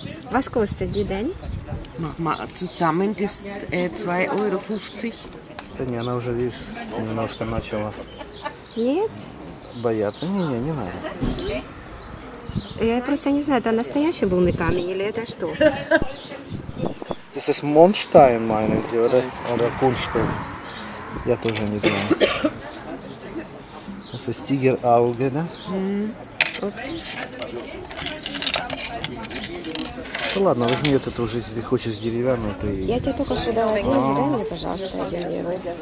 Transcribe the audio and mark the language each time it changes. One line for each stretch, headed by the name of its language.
German: Was kostet die denn? Zusammen das 2,50 €.
Russian: Да не, она уже, видишь, немножко начала. Нет? Бояться? Не надо. Я просто не знаю, это настоящий лунный камень или это что?
German: Das ist Mondstein, meinen Sie, oder Kunststein?
Russian: Я тоже не знаю.
German: Das ist Tigerauge,
Russian: да? Упс. Ну ладно, возьми это тоже, если ты хочешь деревянную, то и... Я тебе только что дала деньги, дай мне, пожалуйста, 1 евро.